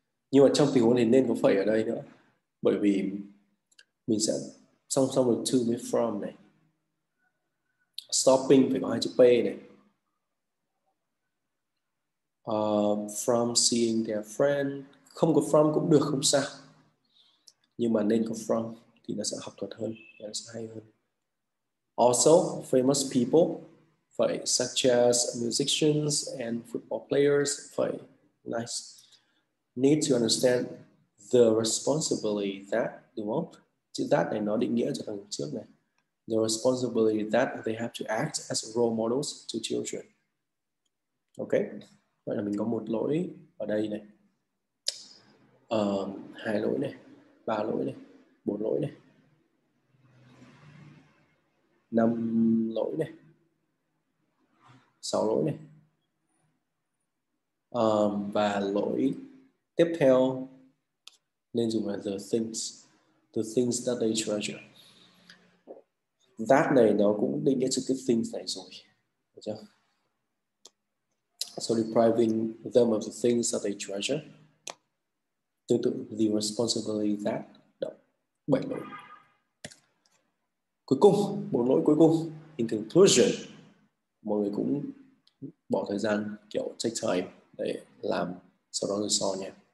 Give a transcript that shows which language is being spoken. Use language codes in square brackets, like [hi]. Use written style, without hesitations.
[vi] Nhưng mà trong tình huống này nên có phẩy ở đây nữa. Bởi vì mình sẽ song song với to với from này. Stopping phải có hai chữ P này. [en] From seeing their friend. [vi] Không có from cũng được, không sao. Nhưng mà nên có from thì nó sẽ học thuật hơn, nó sẽ hay hơn. [en] Also, famous people phải, such as musicians and football players phải, nice. Need to understand the responsibility that, [vi] đúng không? Chữ that này nó định nghĩa cho thằng trước này. [en] The responsibility that they have to act as role models to children. Ok. [vi] Vậy là mình có một lỗi ở đây này, hai lỗi này, ba lỗi này, bốn lỗi này, năm lỗi này, sáu lỗi này, và lỗi tiếp theo nên dùng là [en] the things that they treasure. [vi] That này nó cũng định nghĩa trực tiếp things này rồi, được chưa? [en] So depriving them of the things that they treasure. [vi] Tương tự [en] the responsibility that [vi] động. Bảy lỗi. Cuối cùng, bốn lỗi cuối cùng. [en] In conclusion, [vi] mọi người cũng bỏ thời gian kiểu take time để làm sau đó rồi so nha.